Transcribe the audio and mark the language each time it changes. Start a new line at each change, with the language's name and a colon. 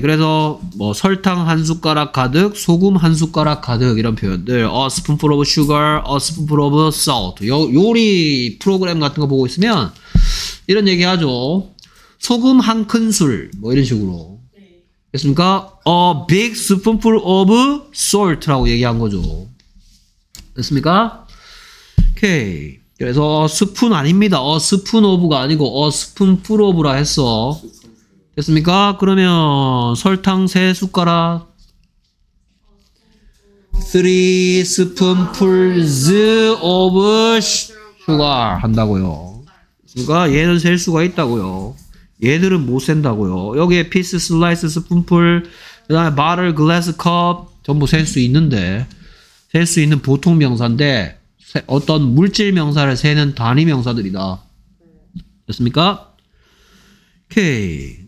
Korean: 그래서 뭐 설탕 한 숟가락 가득, 소금 한 숟가락 가득, 이런 표현들.
English: A spoonful of sugar, a spoonful of salt.
Korean: 요리 프로그램 같은 거 보고 있으면 이런 얘기 하죠. 소금 한 큰술, 뭐 이런 식으로. 됐습니까?
English: A big spoonful of salt라고
Korean: 얘기한 거죠. 됐습니까? 오케이. 그래서 스푼 아닙니다. 스푼 오브가 아니고 스푼풀 오브라 했어. 됐습니까? 그러면 설탕 세 숟가락.
English: 3 spoonfuls of sugar
Korean: 한다고요. 그러니까 얘는 셀 수가 있다고요. 얘들은 못 센다고요. 여기에 피스, 슬라이스, 스푼풀, 그 다음에 바틀, 글래스, 컵 전부 셀 수 있는데, 셀 수 있는 보통 명사인데 어떤 물질 명사를 세는 단위 명사들이다. 됐습니까? 오케이.